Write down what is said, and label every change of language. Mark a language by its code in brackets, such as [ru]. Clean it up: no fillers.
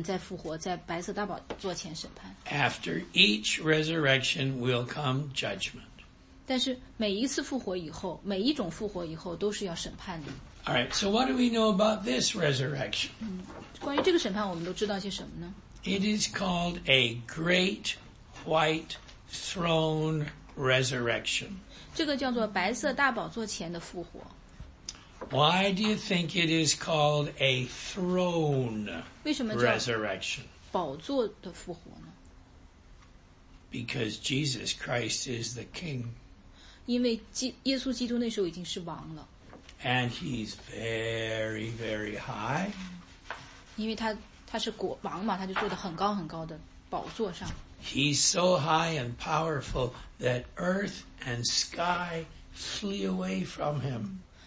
[zh] 所以这有两个复活，一个复活是在基督台前的得奖赏的，还有一个就是稍后一些的，然后要中间还经过很多事情以后，然后再到不信的人在复活在白色大宝座前审判。After [en] each resurrection will come judgment. [zh] 但是每一次复活以后，每一种复活以后都是要审判的。 [en] All right, so what do we know about this resurrection? [zh] 关于这个审判我们都知道些什么呢? [en] It is called a great white throne resurrection. [zh] 这个叫做白色大宝座前的复活。Why [en] do you think it is called a throne resurrection? [zh] 为什么叫宝座的复活呢? [en] Because Jesus Christ is the king. [zh] 因为耶稣基督那时候已经是王了。 [en] And he's very, very high. [zh] 因为他是国王嘛，他就坐在很高很高的宝座上。 [en] He's so high and powerful that earth and sky flee away from him.